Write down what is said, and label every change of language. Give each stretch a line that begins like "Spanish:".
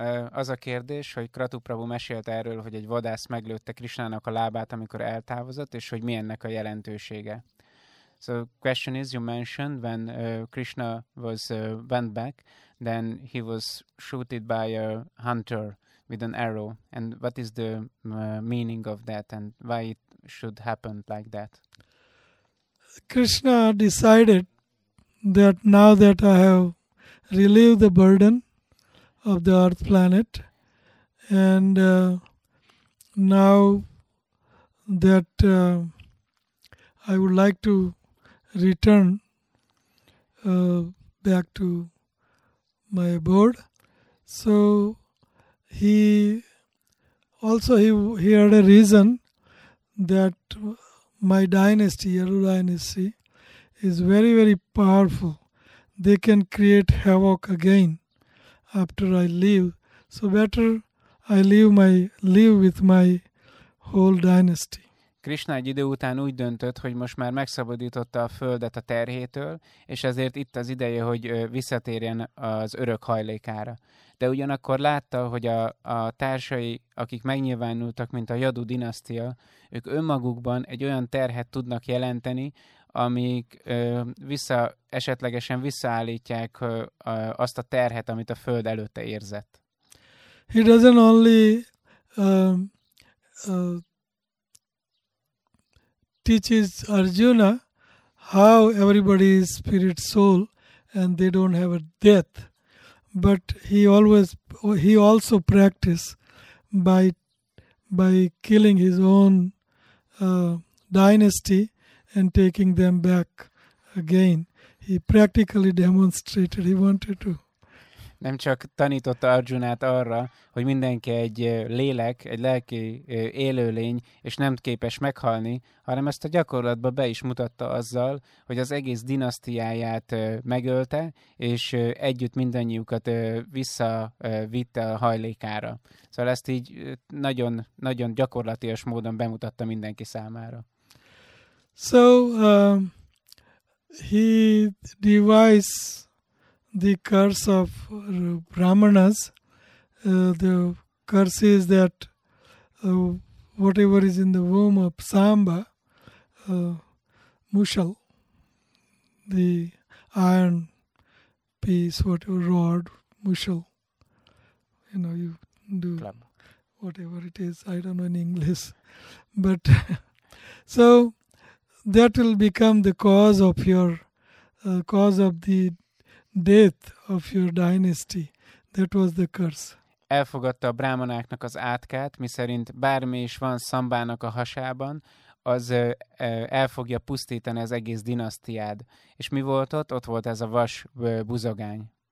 Hungarian: Az a kérdés, hogy Kratu Prabhu mesélt erről, hogy egy vadász meglőtte Krishnának a lábát, amikor eltávozott, és hogy mi ennek a jelentősége.
English: So question is, you mentioned when Krishna was went back, then he was shooted by a hunter with an arrow. And what is the meaning of that and why it should happen like that? Krishna decided that now that I have relieved the burden of the earth planet And now that I would like to return back to my abode, so he had a reason that my dynasty, Yaru dynasty, is very, very powerful. They can create havoc again after I leave. So better I live with my whole dynasty.
Hungarian: Krishna egy idő után úgy döntött, hogy most már megszabadította a földet a terhétől, és ezért itt az ideje, hogy visszatérjen az örök hajlékára. De ugyanakkor látta, hogy a társai, akik megnyilvánultak, mint a Yadu dinasztia, ők önmagukban egy olyan terhet tudnak jelenteni, amik esetlegesen visszaállítják azt a terhet, amit a föld előtte érzett.
English: He doesn't only teaches Arjuna how everybody is spirit soul and they don't have a death, but he also practice by killing his own dynasty and taking them back again. He practically demonstrated he wanted to.
Hungarian: Nem csak tanította Arjunát arra, hogy mindenki egy lélek, egy lelki élőlény, és nem képes meghalni, hanem ezt a gyakorlatba be is mutatta azzal, hogy az egész dinasztiáját megölte, és együtt mindannyiukat visszavitte a hajlékára. Szóval ezt így nagyon, nagyon gyakorlatias módon bemutatta mindenki számára.
English: So, he devised the curse of Brahmanas, the curse is that whatever is in the womb of Samba, Mushal, the iron piece, whatever rod, Mushal, you know, you do club, whatever it is, I don't know in English, but so that will become the cause of your, cause of the death of your dynasty. That was the curse.
Hungarian: Elfogadta a brámanáknak az átkát, miszerint bármi is van Szambának a hasában, az el fogja pusztítani az egész dinasztiád. És mi volt ott? Ott volt ez a vas buzogány.